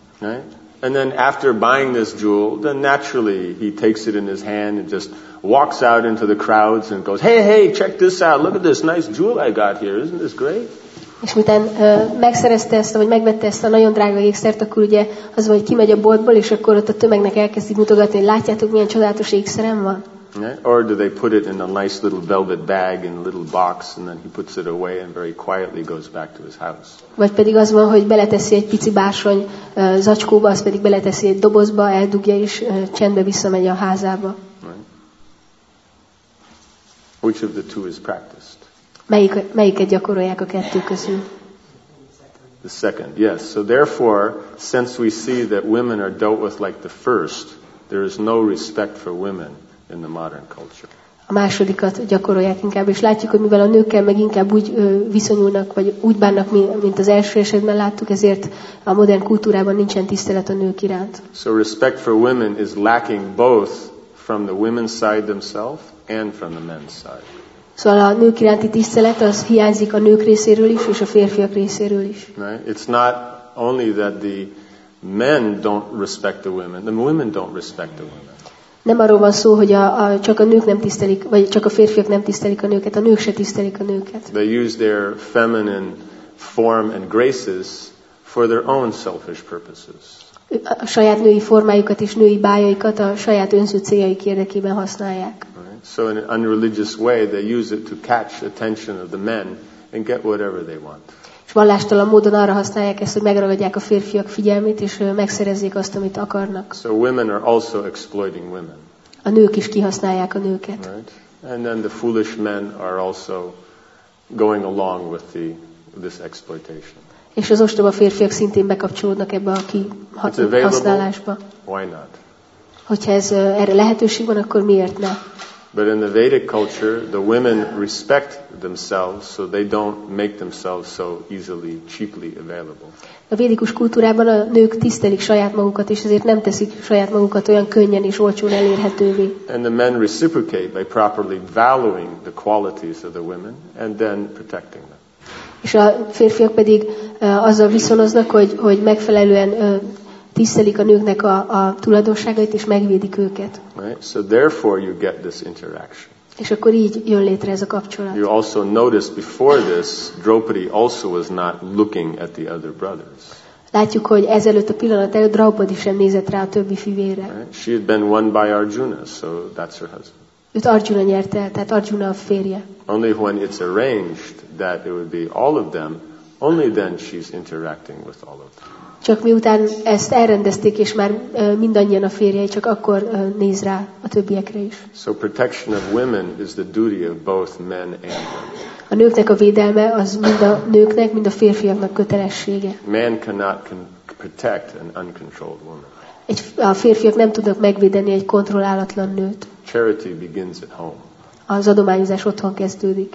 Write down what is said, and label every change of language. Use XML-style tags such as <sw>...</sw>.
<en>Right? And then after buying this jewel, then naturally he takes it in his hand and just walks out into the crowds and goes, hey, check this out, look at this nice jewel I got here, isn't this great?</en> <hu>És miután megszerezte ezt, vagy megvette ezt a nagyon drága ékszert, akkor ugye az, hogy kimegy a boltból, és akkor ott a tömegnek elkezdik mutogatni, hogy látjátok, milyen csodálatos ékszerem van?</hu> <en>Yeah. Or do they put it in a nice little velvet bag in a little box, and then he puts it away and very quietly goes back to his house?</en> <hu>Vagy pedig az van, hogy beleteszi egy pici bársony zacskóba, azt pedig beleteszi egy dobozba, eldugja és csendbe visszamegy a házába.</hu> <en>Right. Which of the two is practiced?</en> <hu>Melyiket gyakorolják a kettő közül?</hu> <en>The second, yes. So therefore, since we see that women are dealt with like the first, there is no respect for women in the modern culture.</en> <hu>A másodikat gyakorolják inkább, és látjuk, hogy mivel a nőkkel meg inkább úgy viszonyulnak, vagy úgy bánnak, mint az első esetben láttuk, ezért a modern kultúrában nincsen tisztelet a nők iránt.</hu> <en>So respect for women is lacking both from the women's side themselves and from the men's side.</en> <hu>Szóval a nők iránti tisztelet az hiányzik a nők részéről is, és a férfiak részéről is.</hu> <en>Right? It's not only that the men don't respect the women don't respect the women.</en> <hu>Nem arról van szó, hogy csak a nők nem tisztelik, vagy csak a férfiak nem tisztelik a nőket, a nők se tisztelik a nőket.</hu> <en>They use their feminine form and graces for their own selfish purposes.</en> <hu>A saját női formájukat és női bájaikat a saját önző céljaik érdekében használják.</hu> <en>Right. So in an unreligious way they use it to catch attention of the men and get whatever they want.</en> <hu>És vallástalan módon arra használják ezt, hogy megragadják a férfiak figyelmét, és megszerezzék azt, amit akarnak.</hu> <en>So women are also exploiting women.</en> <hu>A nők is kihasználják a nőket.</hu> <en>Right? And then the foolish men are also going along with this exploitation.</en> <hu>És az ostoba férfiak szintén bekapcsolódnak ebbe a kihasználásba.</hu> <en>Why not?</en> <hu>Hogyha ez erre lehetőség van, akkor miért ne?</hu> <en>But in the Vedic culture, the women respect themselves, so they don't make themselves so easily, cheaply available.</en> <hu>A védikus kultúrában a nők tisztelik saját magukat, és ezért nem teszik saját magukat olyan könnyen és olcsón elérhetővé.</hu> <en>And the men reciprocate by properly valuing the qualities of the women, and then protecting them.</en> <hu>És a férfiak pedig azzal viszonoznak, hogy megfelelően tisztelik a nőknek a tulajdonságait, és megvédik őket.</hu> <en>Right? So therefore you get this interaction.</en> <hu>És akkor így jön létre ez a kapcsolat.</hu> <en>You also notice before this, Draupadi also was not looking at the other brothers.</en> <hu>Látjuk, hogy ezelőtt a pillanat előtt Draupadi sem nézett rá a többi fivére.</hu> <en>Right? She had been won by Arjuna, so that's her husband.</en> <hu>Őt Arjuna nyerte, tehát Arjuna a férje.</hu> <en>Only when it's arranged that it would be all of them, only then she's interacting with all of them.</en> <hu>Csak miután ezt elrendezték, és már mindannyian a férjei, csak akkor néz rá a többiekre is.</hu> <en>So protection of women is the duty of both men and women.</en> <hu>A nőknek a védelme az mind a nőknek, mind a férfiaknak kötelessége.</hu> <en>Man cannot protect an uncontrolled woman.</en> <hu>A férfiak nem tudnak megvédeni egy kontrollálatlan nőt.</hu> <en>Charity begins at home.</en> <hu>Az adományozás otthon kezdődik.</hu>